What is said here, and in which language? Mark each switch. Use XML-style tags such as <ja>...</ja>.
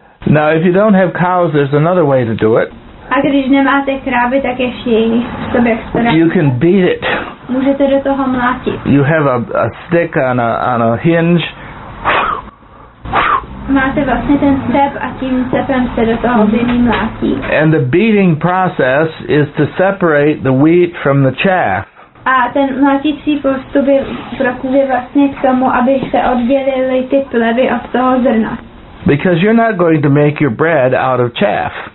<en>Now, if you don't have cows, there's another way to do it.</en> <cs>A když nemáte krávy, tak ještě jiný způsob, jak se</cs> <en>to. You can beat it.</en> <cs>Můžete do toho mlátit.</cs> <en>You have a stick on a hinge.</en> <cs>Máte vlastně ten step a tím stepem se do toho obilí mlátí.</cs> <en>And the beating process is to separate the wheat from the chaff.</en> <cs>A ten mlátící postup je prostě vlastně k tomu, aby se oddělili ty plevy od toho zrna.</cs> <en>Because you're not going to make your bread out of chaff.</en>